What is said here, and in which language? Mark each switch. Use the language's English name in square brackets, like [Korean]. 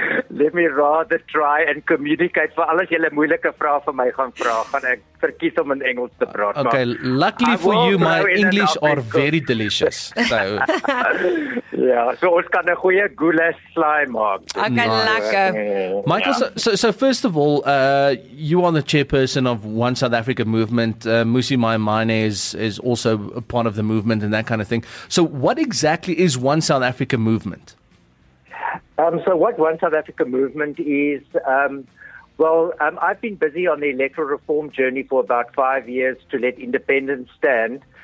[English] let me rather try and communicate. [Afrikaans] For alles jylle moeilike vraag van my gaan vraag, gaan ek verkies om in Engels te praat. [English] Okay, maar, luckily for you, my English are very delicious. So. [Afrikaans] Yeah, so ons kan een goeie goulash slaai maak. [English] Okay, nice. Lekker. Michael, yeah. So first of all, you are the chairperson of One South Africa Movement. Musi Maimane is also a part of the movement and that kind of thing. So what exactly is One South Africa Movement? So what One South Africa Movement is, I've been busy on the electoral reform journey for about 5 years to let independence stand.